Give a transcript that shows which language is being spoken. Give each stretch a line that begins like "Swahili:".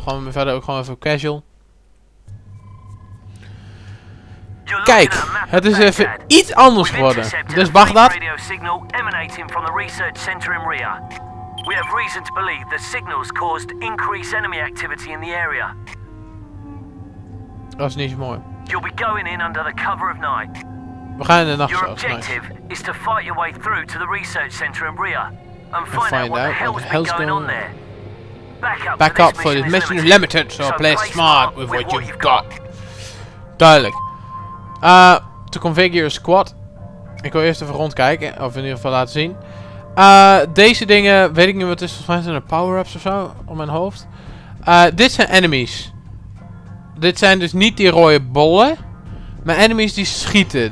Dutch: Gaan we verder ook gewoon even casual. Kijk, het is even iets anders geworden. Dus Baghdad.
English: Radio signal emanating from the research center in Ria. We have reason to believe the signals caused increased enemy activity in the area.
Dutch: Dat is niet zo mooi.
English: You'll be going in under the cover of night.
Dutch: We gaan in de nacht.
English: Your objective is to fight your way through to the research center in Ria. And find out what the hell's going on there. Back up for this mission is limited, so play smart with what you've got.
Dutch: Duidelijk.
English: To configure a squad.
Dutch: Ik wil eerst even rondkijken, of in ieder geval laten zien. Deze dingen, weet ik niet wat het is, volgens mij zijn er power-ups of zo op mijn hoofd. Dit zijn enemies. Dit zijn dus niet die rode bollen. Maar enemies die schieten.